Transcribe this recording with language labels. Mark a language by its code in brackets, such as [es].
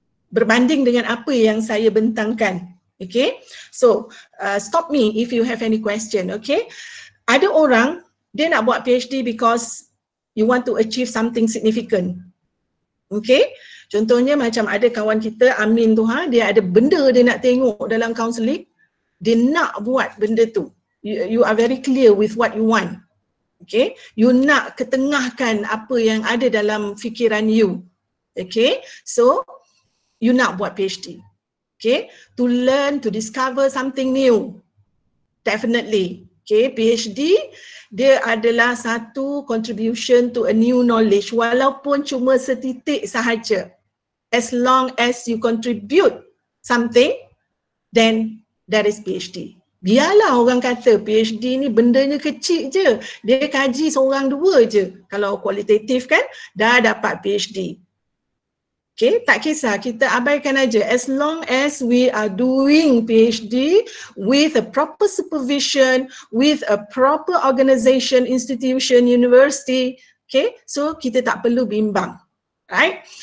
[ms] Berbanding dengan apa yang saya bentangkan. [en] Okay, so stop me if you have any question, okay. [ms] Ada orang dia nak buat [en] PhD because you want to achieve something significant. Okay. [ms] Contohnya macam ada kawan kita Amin tu, ha, dia ada benda dia nak tengok dalam counseling, dia nak buat benda tu. [en] You are very clear with what you want. [ms] Okay, you nak ketengahkan apa yang ada dalam fikiran you. [en] Okay, [ms] so you nak buat PhD. [en] Okay, to learn, to discover something new. Definitely. [ms] Okay, PhD dia adalah satu [en] contribution to a new knowledge [ms] walaupun cuma setitik sahaja. [en] As long as you contribute something, then that is PhD. [ms] Biarlah orang kata PhD ni bendanya kecil je, dia kaji seorang dua je. Kalau kualitatif kan, dah dapat PhD. Okay, tak kisah, kita abaikan aja. [en] As long as we are doing PhD with a proper supervision, with a proper organization, institution, university, okay, [ms] so kita tak perlu bimbang. [en] Right?